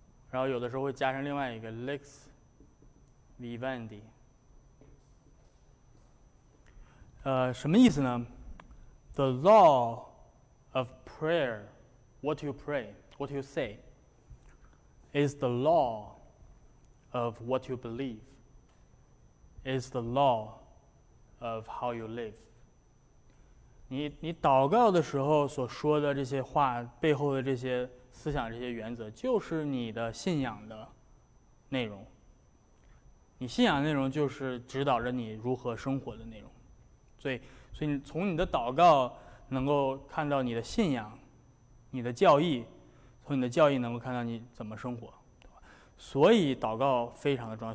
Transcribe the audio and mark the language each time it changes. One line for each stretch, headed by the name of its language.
Chinese: 然后有的时候会加上另外一个 Lex。
Latin: Vivendi，
Chinese: 什么意思呢？
English: The law of prayer, what you pray, what you say, is the law of what you believe, is the law of how you live.
Chinese: 你祷告的时候所说的这些话背后的这些思想、这些原则，就是你的信仰的内容。你信仰的内容就是指导着你如何生活的内容。所以你从你的祷告能够看到你的信仰，你的教义，从你的教义能够看到你怎么生活，所以祷告非常的重要。